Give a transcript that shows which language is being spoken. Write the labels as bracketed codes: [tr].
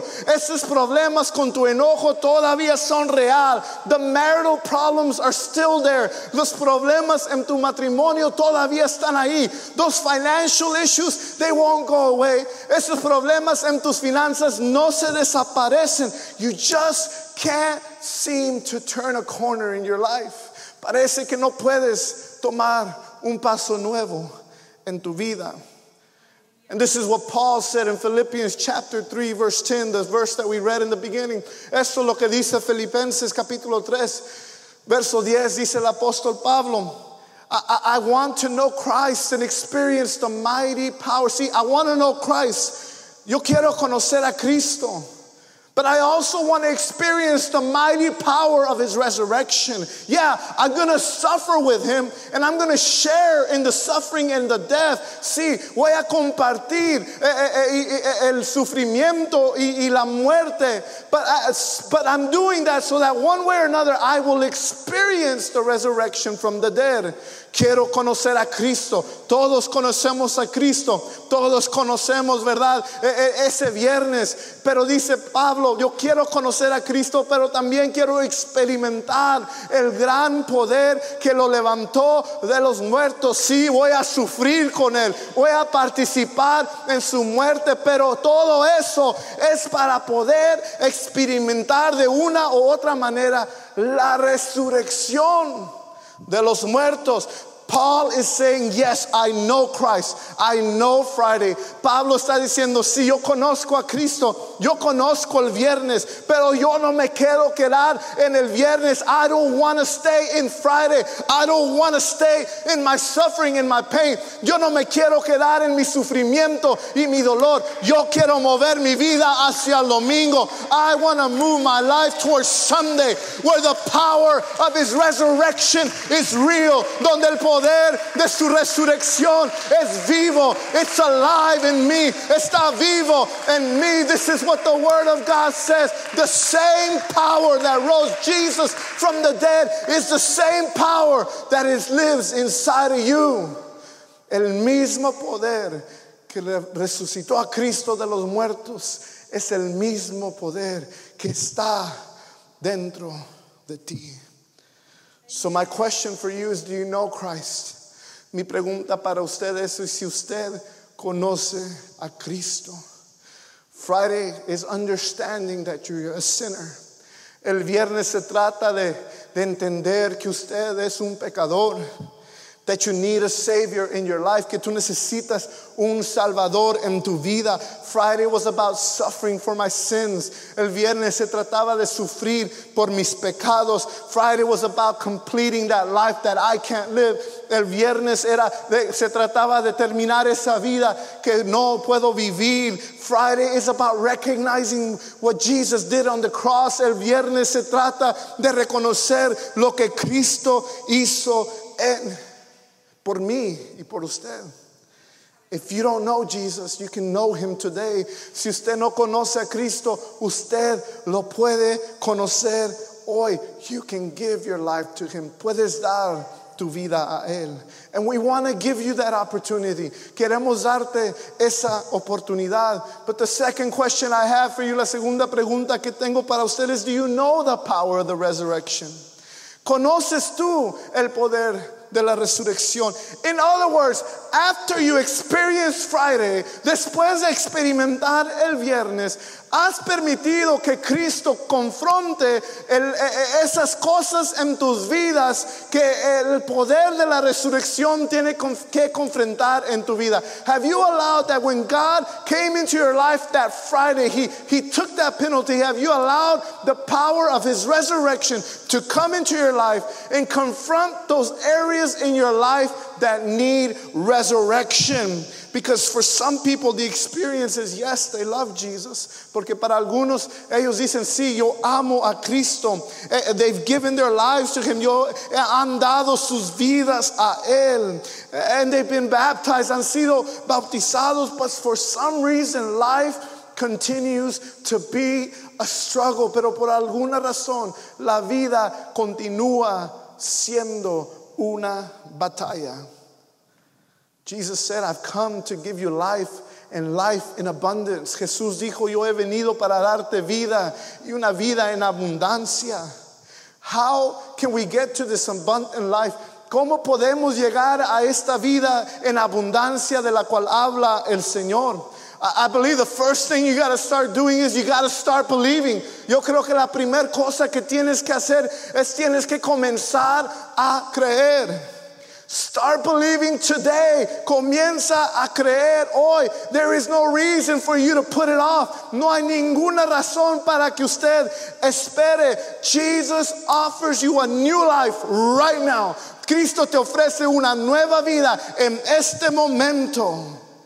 [es] Esos problemas con tu enojo todavía son real. [en] The marital problems are still there. [es] Los problemas en tu matrimonio todavía todavía están ahí. [en] Those financial issues, they won't go away. [es] Esos problemas en tus finanzas no se desaparecen. [en] You just can't seem to turn a corner in your life. [es] Parece que no puedes tomar un paso nuevo en tu vida. [en] And this is what Paul said in Philippians chapter 3, verse 10, the verse that we read in the beginning. [es] Esto es lo que dice Filipenses capítulo 3, verso 10, dice el apóstol Pablo. [en] I want to know Christ and experience the mighty power. See, I want to know Christ. [es] Yo quiero conocer a Cristo. [en] But I also want to experience the mighty power of his resurrection. Yeah, I'm going to suffer with him and I'm going to share in the suffering and the death. [es] Sí, voy a compartir el sufrimiento y la muerte. [en] But I'm doing that so that one way or another I will experience the resurrection from the dead. [es] Quiero conocer a Cristo. Todos conocemos a Cristo. Todos conocemos, ¿verdad? Ese viernes. Pero dice Pablo, yo quiero conocer a Cristo, pero también quiero experimentar el gran poder que lo levantó de los muertos. Sí, voy a sufrir con él. Voy a participar en su muerte. Pero todo eso es para poder experimentar de una u otra manera la resurrección de los muertos. [en] Paul is saying, yes, I know Christ. I know Friday. [es] Pablo está diciendo, sí, yo conozco a Cristo. Yo conozco el viernes. Pero yo no me quiero quedar en el viernes. [en] I don't want to stay in Friday. I don't want to stay in my suffering and my pain. [es] Yo no me quiero quedar en mi sufrimiento y mi dolor. Yo quiero mover mi vida hacia el domingo. [en] I want to move my life towards Sunday, where the power of his resurrection is real. [es] Donde el poder de su resurrección es vivo. [en] It's alive in me. [es] Está vivo [en] in me. This is what the word of God says. The same power that rose Jesus from the dead is the same power that lives inside of you. [es] El mismo poder que resucitó a Cristo de los muertos es el mismo poder que está dentro de ti. [en] So my question for you is, do you know Christ? [es] Mi pregunta para usted es, si usted conoce a Cristo. [en] Friday is understanding that you're a sinner. [es] El viernes se trata de entender que usted es un pecador. [en] That you need a savior in your life. [es] Que tú necesitas un salvador en tu vida. [en] Friday was about suffering for my sins. [es] El viernes se trataba de sufrir por mis pecados. [en] Friday was about completing that life that I can't live. [es] El viernes se trataba de terminar esa vida que no puedo vivir. [en] Friday is about recognizing what Jesus did on the cross. [es] El viernes se trata de reconocer lo que Cristo hizo en por mí y por usted. [en] If you don't know Jesus, you can know him today. [es] Si usted no conoce a Cristo, usted lo puede conocer hoy. [en] You can give your life to him. [es] Puedes dar tu vida a él. [en] And we want to give you that opportunity. [es] Queremos darte esa oportunidad. [en] But the second question I have for you, [es] la segunda pregunta que tengo para usted [en] is, do you know the power of the resurrection? [es] ¿Conoces tú el poder de la resurrección? [en] In other words, after you experience Friday, [es] después de experimentar el viernes, ¿has permitido que Cristo confronte esas cosas en tus vidas que el poder de la resurrección tiene que confrontar en tu vida? [en] Have you allowed that when God came into your life that Friday, he took that penalty, have you allowed the power of his resurrection to come into your life and confront those areas in your life that need resurrection? Because for some people, the experience is, yes, they love Jesus. [es] Porque para algunos, ellos dicen, sí, yo amo a Cristo. [en] They've given their lives to him. [es] Yo han dado sus vidas a él. [en] And they've been baptized, [es] han sido bautizados. [en] But for some reason, life continues to be a struggle. [es] Pero por alguna razón, la vida continúa siendo una batalla. [en] Jesus said, I've come to give you life and life in abundance. [es] Jesús dijo, yo he venido para darte vida y una vida en abundancia. [en] How can we get to this abundant life [es] ¿Cómo podemos llegar a esta vida en abundancia de la cual habla el Señor? [en] I believe the first thing you got to start doing is you got to start believing. [es] Yo creo que la primer cosa que tienes que hacer es tienes que comenzar a creer. [en] Start believing today. [es] Comienza a creer hoy. [en] There is no reason for you to put it off. [es] No hay ninguna razón para que usted espere. [en] Jesus offers you a new life right now. [es] Cristo te ofrece una nueva vida en este momento.